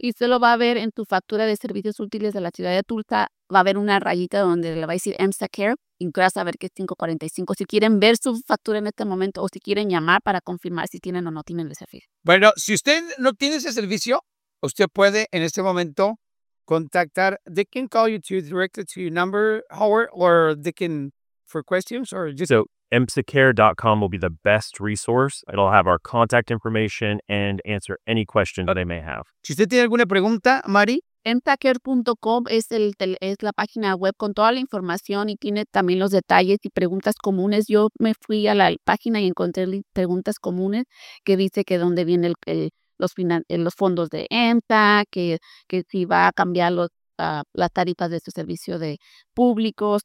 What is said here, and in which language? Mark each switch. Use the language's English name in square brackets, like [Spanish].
[Spanish] Y se lo va a ver en tu factura de servicios útiles de la ciudad de Tulsa. Va a haber una rayita donde le va a decir EMSACARE y vas a ver que es $5.45. Si quieren ver su factura en este momento o si quieren llamar para confirmar si tienen o no tienen el servicio. Bueno, si usted no tiene ese servicio, usted puede en este momento contactar. [English] They can call you to directly to your number, Howard, or they can for questions or just... So EMSACARE.com will be the best resource. It'll have our contact information and answer any question that I may have. [Spanish] Si usted tiene alguna pregunta, Mari... EMSACARE.com es es la página web con toda la información y tiene también los detalles y preguntas comunes. Yo me fui a la página y encontré preguntas comunes que dice que dónde vienen los fondos de EMSA, que si va a cambiar las tarifas de su servicio de públicos.